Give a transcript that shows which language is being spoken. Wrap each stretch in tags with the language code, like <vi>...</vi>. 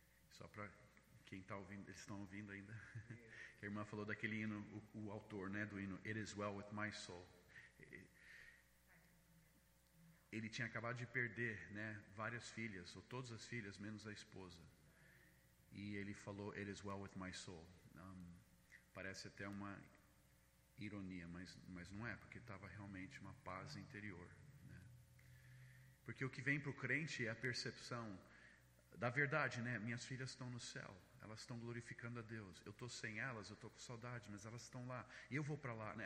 <pt>Só para quem está ouvindo, eles estão ouvindo ainda. Que a irmã falou daquele hino, o autor, né, do hino</pt> <en>"It is well with my soul".</en> <pt>Ele tinha acabado de perder, né, várias filhas, ou todas as filhas, menos a esposa. E ele falou,</pt> <en>"It is well with my soul".</en> <pt>Parece até uma ironia, mas não é, porque estava realmente uma paz interior, né? Porque o que vem para o crente é a percepção da verdade, né? Minhas filhas estão no céu, elas estão glorificando a Deus. Eu estou sem elas, eu estou com saudade, mas elas estão lá. E eu vou para lá, né?</pt>